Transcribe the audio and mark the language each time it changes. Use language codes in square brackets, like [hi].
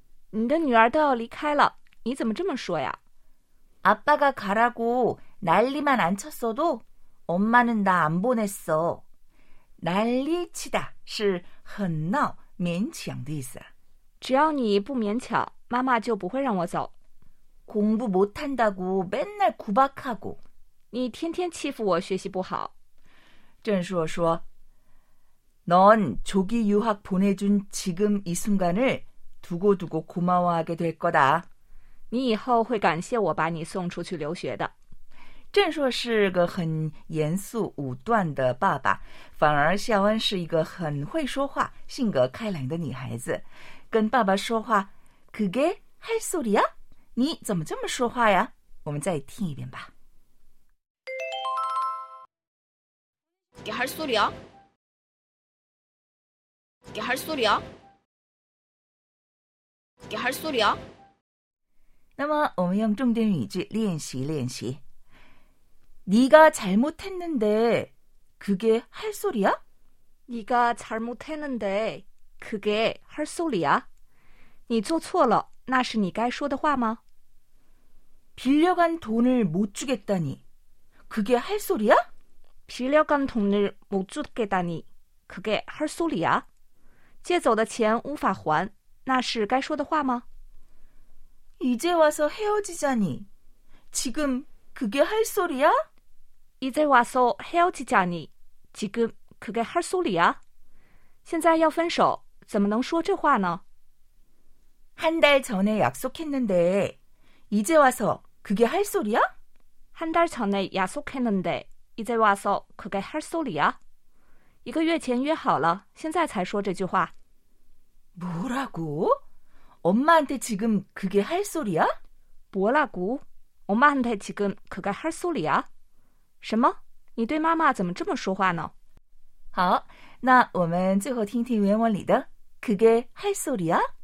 [zh] 你的女儿都要离开了你怎么这么说呀 [ko] 아빠가가라고난리만안쳤어도엄마는나안보냈어난리치다 [zh] 是很闹勉强的意思只要你不勉强妈妈就不会让我走 [ko] 공부못한다고맨날구박하고 [zh] 你天天欺负我学习不好振硕说 [ko] 넌조기유학보내준지금이순간을두고두고고마워하게될거다 [zh] 你以后会感谢我把你送出去留学的振硕是个很严肃武断的爸爸反而孝恩是一个很会说话性格开朗的女孩子跟爸爸说话 [ko] 그게할소리야 [zh] 你怎么这么说话呀我们再听一遍吧 [ko] 그게할소리야그게할소리야그게할소리야 [zh] 那么我们用重点语句练习练习 [ko] 네가잘못했는데그게할소리야 네가잘못했는데그게할소리야 [zh] 你做错了那是你该说的话吗 [ko] 빌려간돈을못주겠다니그게할소리야 빌려간돈을못주겠다니그게할소리야 [zh] 借走的钱无法还那是该说的话吗 [ko] 이제와서헤어지자니지금 그게 할 소리야? 이제 와서 헤어지자니 지금 그게 할 소리야? [zh] 现在要分手怎么能说这话呢? [ko] 한 달 전에 약속했는데 이제 와서 그게 할 소리야? 한 달 전에 약속했는데 이제 와서 그게 할 소리야? [zh] 一个月前约好了现在才说这句话 [ko] 뭐라고? 엄마한테 지금 그게 할 소리야? 뭐라고? 엄마한테 지금 그게 할 소리야? [zh] 什么?你对妈妈怎么这么说话呢? 好,那我们最后听听原文里的 [ko] 그게 할 소리야?